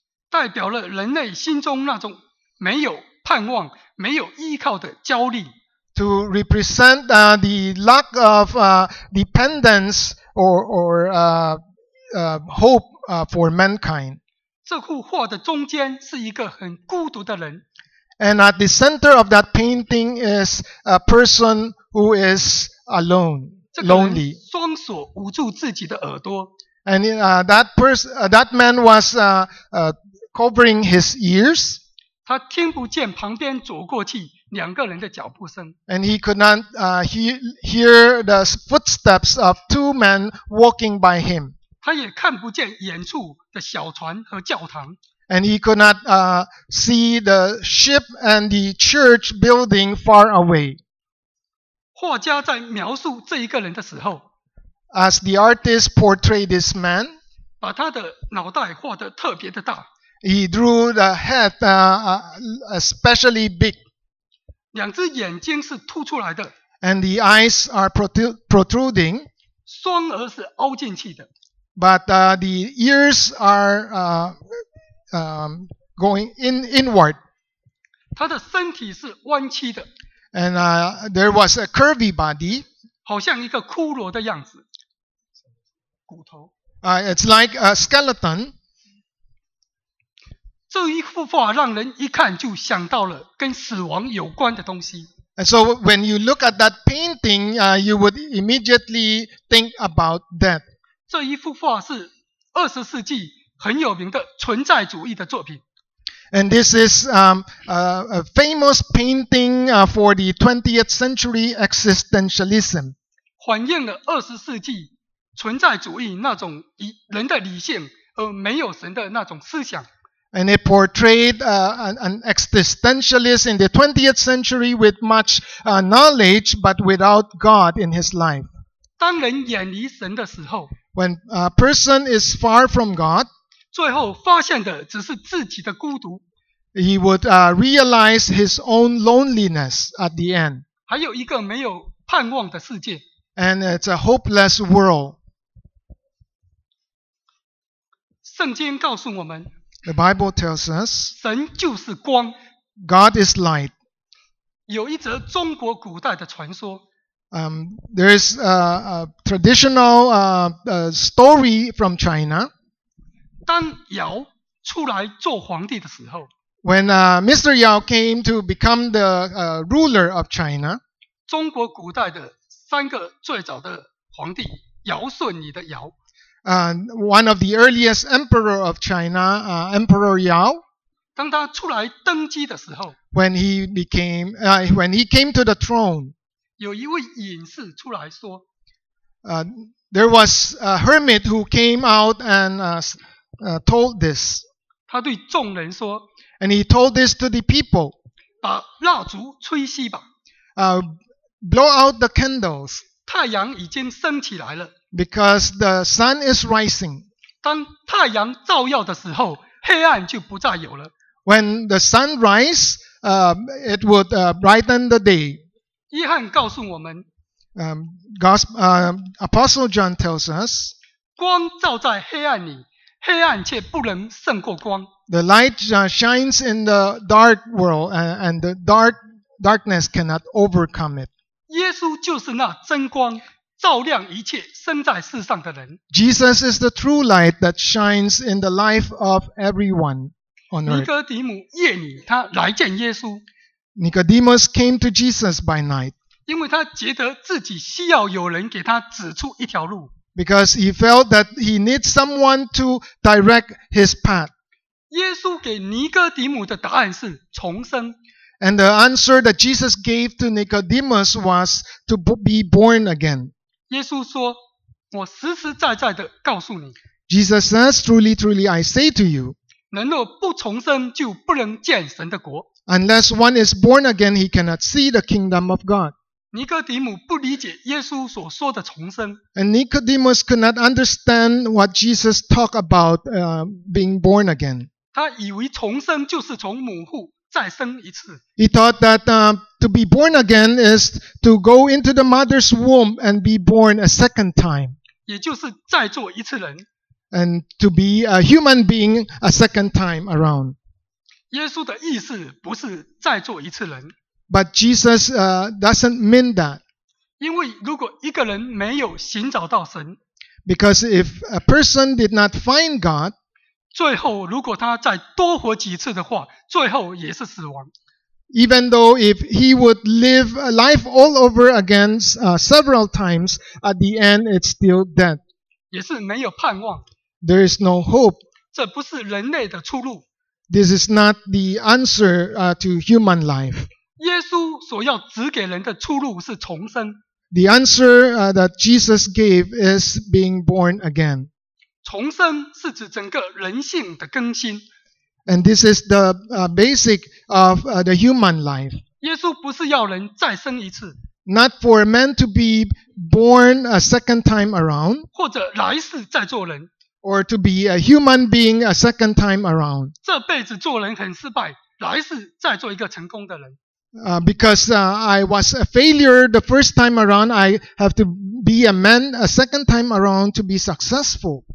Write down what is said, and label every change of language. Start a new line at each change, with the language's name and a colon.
Chinese: 代表了人类心中那种没有盼望、没有依靠的焦虑。
English: To represent the lack of dependence or hope for mankind.
Chinese: 这幅画的中间是一个很孤独的人。
English: And at the center of that painting is a person who is alone, lonely.
Chinese: 这个人双手捂住自己的耳朵。
English: And that man was covering his ears.
Chinese: 他听不见旁边走过去两个人的脚步声。
English: And he could not hear the footsteps of two men walking by him.
Chinese: 他也看不见远处的小船和教堂。
English: And he could not see the ship and the church building far away.
Chinese: 画家在描述这一个人的时候，
English: as the artist portrayed this man,
Chinese: 把他的脑袋画得特别的大，
English: he drew the head especially big.
Chinese: 两只眼睛是凸出来的，
English: and the eyes are protruding.
Chinese: 双耳是凹进去的，
English: but the ears are going inward.
Chinese: 他的身体是弯曲的，
English: and there was a curvy body,
Chinese: 好像一个骷髅的样子，骨头。
English: It's like a skeleton.
Chinese: 这一幅画让人一看就想到了跟死亡有关的东西。
English: And so when you look at that painting, you would immediately think about death.
Chinese: 这一幅画是二十世纪很有名的存在主义的作品。
English: And this is a famous painting for the 20th century existentialism.
Chinese: 反映了二十世纪存在主义那种以人的理性而没有神的那种思想。
English: And it portrayed an existentialist in the 20th century with much knowledge but without God in his life.
Chinese: 当人远离神的时候，
English: when a person is far from God,
Chinese: 最后发现的只是自己的孤独。
English: He would realize his own loneliness at the end.
Chinese: 还有一个没有盼望的世界。
English: And it's a hopeless world.
Chinese: 圣经告诉我们，
English: The Bible tells us,
Chinese: 神就是光。
English: God is light.
Chinese: 有一则中国古代的传说。
English: There is a traditional story from China.
Chinese: 当尧出来做皇帝的时候，
English: When Mr. Yao came to become the ruler of China,
Chinese: 中国古代的三个最早的皇帝，尧舜禹的尧，
English: one of the earliest emperor of China, Emperor Yao,
Chinese: 当他出来登基的时候，
English: when he came to the throne,
Chinese: 有一位隐士出来说，
English: there was a hermit who came out and told this.
Chinese: 他对众人说，
English: and he told this to the people.
Chinese: 把蜡烛吹熄吧。
English: Blow out the candles.
Chinese: 太阳已经升起来了。
English: Because the sun is rising.
Chinese: 当太阳照耀的时候，黑暗就不再有了。
English: When the sun rises, it would brighten the day.
Chinese: 约翰告诉我们，
English: Apostle John tells us,
Chinese: 光照在黑暗里。黑暗却不能胜过光。
English: The light shines in the dark world, and the darkness cannot overcome it.
Chinese: 耶稣就是那真光，照亮一切生在世上的人。
English: Jesus is the true light that shines in the life of everyone on earth.
Chinese: 尼哥底母夜里他来见耶稣。
English: Nicodemus came to Jesus by night.
Chinese: 因为他觉得自己需要有人给他指出一条路。
English: Because he felt that he needs someone to direct his path.
Chinese: 耶稣给尼哥底母的答案是重生。
English: And the answer that Jesus gave to Nicodemus was to be born again.
Chinese: 耶稣说，我实实在在的告诉你。
English: Jesus says, truly, truly, I say to you,
Chinese: 人若不重生，就不能见神的国。
English: Unless one is born again, he cannot see the kingdom of God.
Chinese: 尼哥底母不理解耶稣所说的重生。
English: And Nicodemus could not understand what Jesus talked about being born again.
Chinese: 他以为重生就是从母腹再生一次。
English: He thought that to be born again is to go into the mother's womb and be born a second time.
Chinese: 也就是再做一次人。
English: And to be a human being a second time around.
Chinese: 耶稣的意思不是再做一次人。
English: But Jesus doesn't mean that.
Chinese: 因为如果一个人没有寻找到神，
English: Because if a person did not find God,
Chinese: 最后如果他再多活几次的话，最后也是死亡。
English: Even though if he would live a life all over again several times, at the end it's still death.
Chinese: 也是没有盼望。
English: There is no hope.
Chinese: 这不是人类的出路。
English: This is not the answer to human life.
Chinese: 耶稣所要指给人的出路是重生。
English: The answer that Jesus gave is being born again.
Chinese: 重生是指整个人性的更新。
English: And this is the basic of the human life.
Chinese: 耶稣不是要人再生一次。
English: Not for a man to be born a second time around.
Chinese: 或者来世再做人。
English: Or to be a human being a second time around.
Chinese: 这辈子做人很失败，来世再做一个成功的人。
English: I was a failure the first time around, I have to be a man a second time around to be successful.